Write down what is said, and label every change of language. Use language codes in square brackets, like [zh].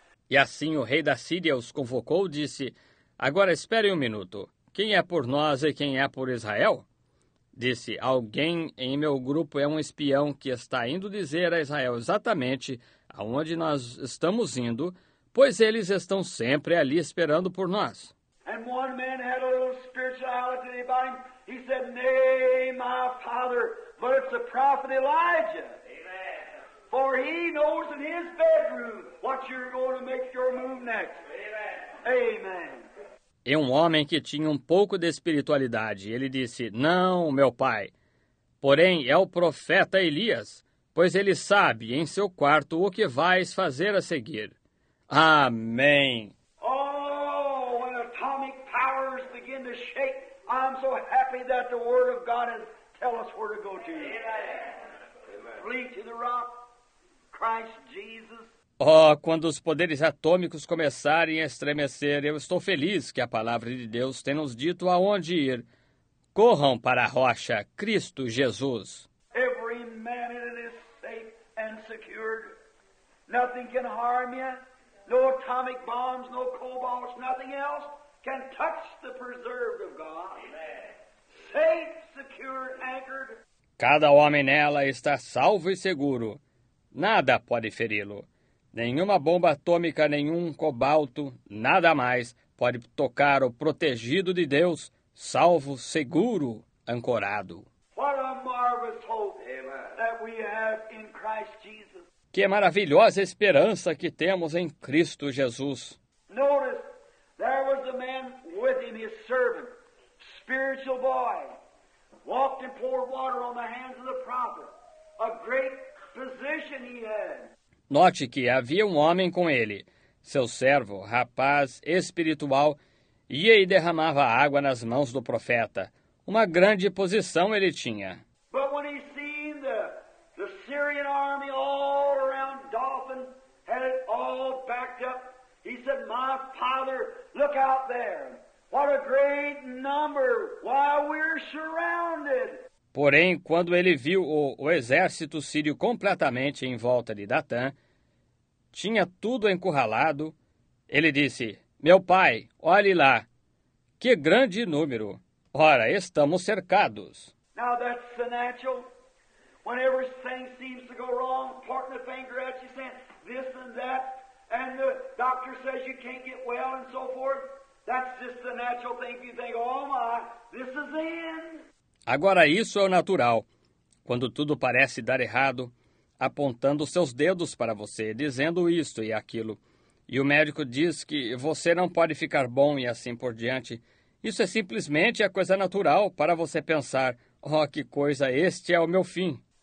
[pt] E assim o rei da Síria os convocou e disse, agora esperem um minuto, quem é por nós e quem é por Israel? Disse, alguém em meu grupo é um espião que está indo dizer a Israel exatamente aonde nós estamos indo, pois eles estão sempre ali esperando por nós. [en] And one man had a little spirituality about him. He said, nay, my father, but it's the prophet Elijah. Amen. For he knows in his bedroom what you're going to make your move next. Amen. Amen. [pt] E um homem que tinha um pouco de espiritualidade, ele disse, não, meu pai, porém é o profeta Elias, pois ele sabe em seu quarto o que vais fazer a seguir. Amém. [en] Oh, when atomic powers begin to shake, I'm so happy that the word of God has tell us where to go to. Amen. Flee to the rock, Christ Jesus. [pt] Oh, quando os poderes atômicos começarem a estremecer, eu estou feliz que a palavra de Deus tenha nos dito aonde ir. Corram para a rocha, Cristo Jesus. [en] Every man in it is safe and secured. Nothing can harm you. No atomic bombs, no cobalt, nothing else can touch the preserved of God. Amen. Safe, secure, anchored. [pt] Cada homem nela está salvo e seguro. Nada pode feri-lo. Nenhuma bomba atômica, nenhum cobalto, nada mais pode tocar o protegido de Deus, salvo, seguro, ancorado. [en] What a marvelous hope that we have in Christ Jesus. [pt] Que maravilhosa esperança que temos em Cristo Jesus. [en] Notice, there was a man with him, his servant, spiritual boy, walked and poured water on the hands of the prophet, a great physician he had. [pt] Note que havia um homem com ele, seu servo, rapaz espiritual, ia e derramava água nas mãos do profeta. Uma grande posição ele tinha. [en] But when he seen the Syrian army all around Dothan, had it all backed up, he said, my father, look out there. What a great number. Why we're surrounded. [pt] Porém, quando ele viu o exército sírio completamente em volta de Datã, tinha tudo encurralado, ele disse, meu pai, olhe lá, que grande número. Ora, estamos cercados. [en] Now that's the natural. Whenever something seems to go wrong, pointing the finger at you, saying this and that, and the doctor says you can't get well and so forth, that's just the natural thing. You think, oh my, this is the end. [pt] Agora, isso é o natural, quando tudo parece dar errado, apontando seus dedos para você, dizendo isto e aquilo. E o médico diz que você não pode ficar bom e assim por diante. Isso é simplesmente a coisa natural para você pensar, oh, que coisa, este é o meu fim.